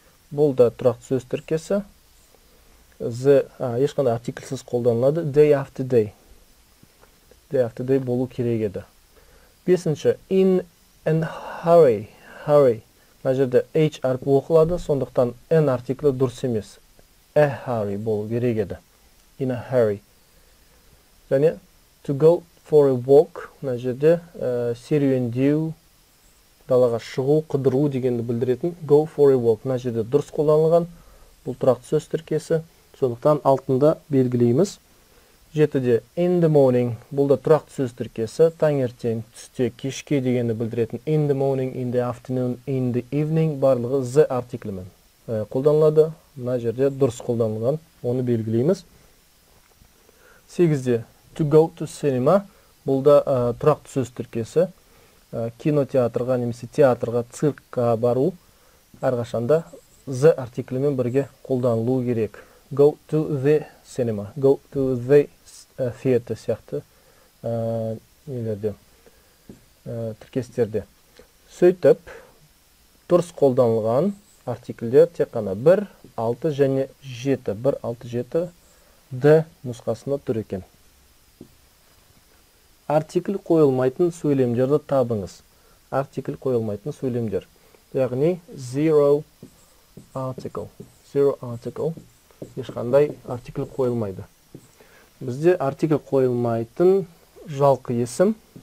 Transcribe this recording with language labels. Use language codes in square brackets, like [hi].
[kk] Бұл да тұрақты сөз тіркесі. Ешқандай артикльсіз қолданылады. [en] Day after day. Day after day [kk] болу керек еді. Бесінші. [en] In and hurry. Hurry. [kk] Мына жерде H әріпі оқылады. Сондықтан N артиклі дұрыс емес. [en] A hurry [kk] болу керек еді. [en] In a hurry. [kk] Және [en] to go for a walk. [kk] Мына жерде серуендеу, далаға шығу, қыдыру дегенді білдіретін. [en] Go for a walk. [kk] Мына жерде дұрыс қолданылған. Бұл тұрақты сөз тіркесі. Сондықтан алтында белгілейміз. Жетіде [en] in the morning. [kk] Бұл да тұрақты сөз тіркесі. Таңертең, түсте, кешке дегенді білдіретін. [en] In the morning, in the afternoon, in the evening. [kk] Барлығы the артиклімен қолданылады. Мына жерде дұрыс қолданылған. Оны белгілейміз. Сегізде [en] to go to cinema. [kk] Бұл да тұрақты сөз тіркесі. Кинотеатрға немесе театрға, циркқа бару. Әрқашанда the артиклімен бірге қолданылуы керек. [en] Go to the cinema. Go to the theater [kk] сияқты нелерде, тіркестерде. Сөйтіп, дұрыс қолданылған артикльдер тек қана 1, 6 және 7. 1, 6, 7 D нұсқасында тұр екен. Артикль қойылмайтын сөйлемдерді табыңыз. Артикль қойылмайтын сөйлемдер. Яғни [en] zero article. Zero article. [kk] Ешқандай артикль қойылмайды. Бізде артикль қойылмайтын жалқы есім.